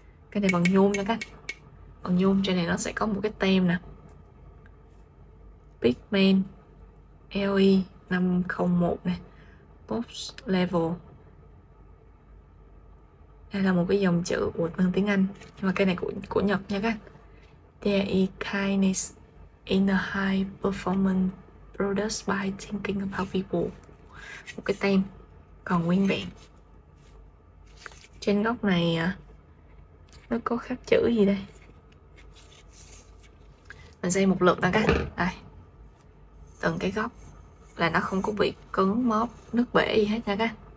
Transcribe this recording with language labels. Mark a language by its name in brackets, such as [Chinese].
[Vietnamese] Cây này bằng nhôm nha các, bằng nhôm. Trên này nó sẽ có một cái tem nè, Pigman LE 501 này, box level. Đây là một cái dòng chữ của bằng tiếng Anh, nhưng mà cái này của Nhật nha các. [English] There is kindness in the high performance products by thinking about people. [Vietnamese] Một cái tem còn nguyên vẹn. Trên góc này nó có khắc chữ gì đây, mình xem một lượt nha các. Đây, từng cái góc là nó không có bị cứng móp nứt bể gì hết nha các.